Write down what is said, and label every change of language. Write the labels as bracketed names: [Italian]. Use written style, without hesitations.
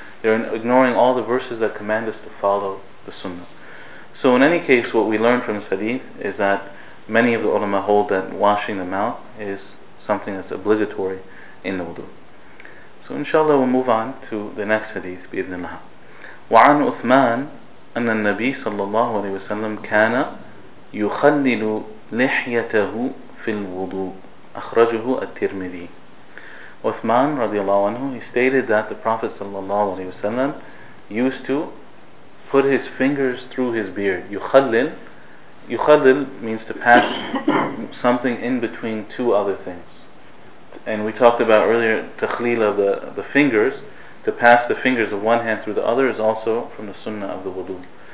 [English] They're ignoring all the verses that command us to follow the Sunnah. So in any case, what we learn from this hadith is that many of the ulama hold that washing the mouth is something that's obligatory in the wudu. So inshallah we'll move on to the next hadith, bi-idhnillah. [Arabic] وعن أثمان أن النبي صلى الله عليه وسلم كان يخلل لحيته في الوضوء أخرجه الترمذي. [English] Uthman [Arabic] رضي الله عنه, [English] he stated that the Prophet [Arabic] صلى الله عليه وسلم [English] used to put his fingers through his beard. يخلل means to pass something in between two other things. And we talked about earlier تخليل of the fingers. To pass the fingers of one hand through the other is also from the sunnah of the wudu.